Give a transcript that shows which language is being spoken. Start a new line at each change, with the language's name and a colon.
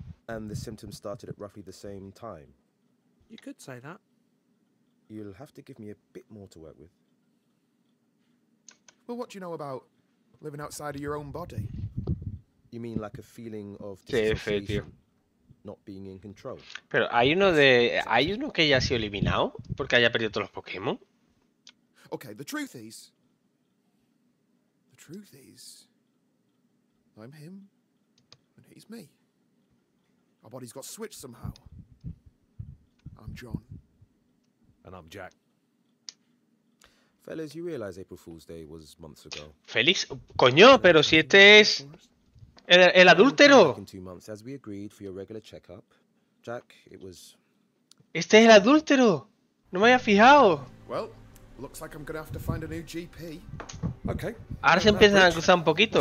English: And the symptoms started at roughly the same time. You could say that. You'll have to give me a bit more to work with. Well, what do you know about living outside of your own body? You mean like a feeling of dissociation, not being in control?
Spanish: Pero hay uno que haya sido eliminado porque haya perdido todos los Pokémon.
English: Okay, the truth is, I'm him, and he's me. Our bodies got switched somehow. I'm John. And I'm Jack. Fellas, you realize April Fool's Day was months ago.
Spanish: Félix, coño, pero si este es el adúltero.
English: In 2 months, as we agreed for your regular checkup, Jack, it was.
Spanish: Este es el adúltero. No me había fijado.
English: Well, looks like I'm gonna have to find a new GP. Okay.
Spanish: Ahora se empiezan a cruzar un poquito.